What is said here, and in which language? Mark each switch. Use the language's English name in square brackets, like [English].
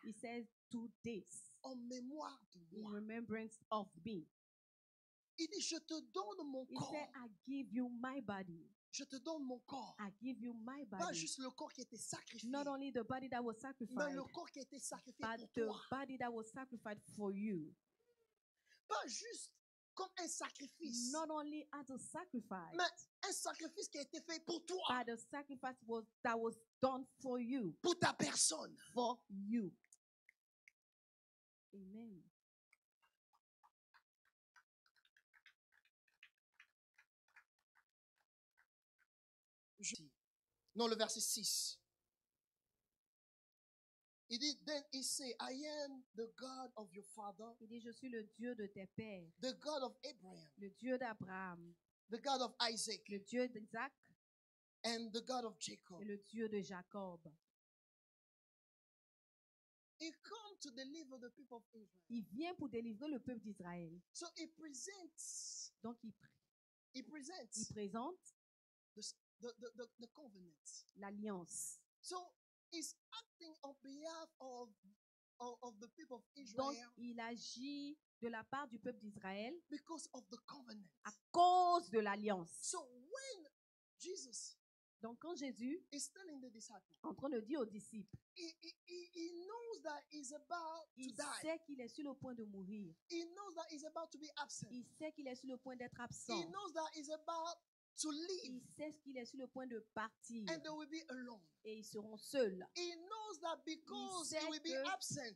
[English] He says, do this. [French] En mémoire de moi. [English] In remembrance of me. [French] Il dit, je te donne mon il corps. [English] He said, I give you my body. [French] Je te donne mon corps. [English] I give you my body. [French] Pas juste le corps qui était sacrifié. [English] Not only the body that was sacrificed. [French] Mais le corps qui était sacrifié pour toi. [English] But the body that was sacrificed for you. [French] Pas juste. Comme un sacrifice. [English] Not only as a sacrifice. [French] Mais un sacrifice qui a été fait pour toi. [English] But a sacrifice was, that was done for you. [French] Pour ta personne. [English] For you. Amen. [French] Non, le verset 6. [English] He did, then he said, I am the God of your father. [French] Il dit, je suis le Dieu de tes pères. [English] The God of Abraham. [French] Le Dieu d'Abraham. [English] The God of Isaac. [French] Le Dieu d'Isaac. [English] And the God of Jacob. [French] Et le Dieu de Jacob. [English] He come to deliver the people of Israel. [French] Il vient pour délivrer le peuple d'Israël. [English] So he presents. [French] Donc il présente. [English] The covenant. [French] L'alliance. [English] So he's acting on behalf of the people of Israel. [French] Donc il agit de la part du peuple d'Israël. [English] Because of the covenant. [French] À cause de l'alliance. [English] So when Jesus. [French] Donc quand Jésus. [English] Is telling the disciples. [French] En train de dire aux disciples. [English] He knows that he's about to die. [French] Il sait qu'il est sur le point de mourir. [English] He knows that he's about to be absent. [French] Il sait qu'il est sur le point d'être absent. [English] He knows that he's about to leave. [French] Il sait qu'il est sur le point de partir. [English] And they will be alone. [French] Et ils seront seuls. [English] He knows that because he will be absent.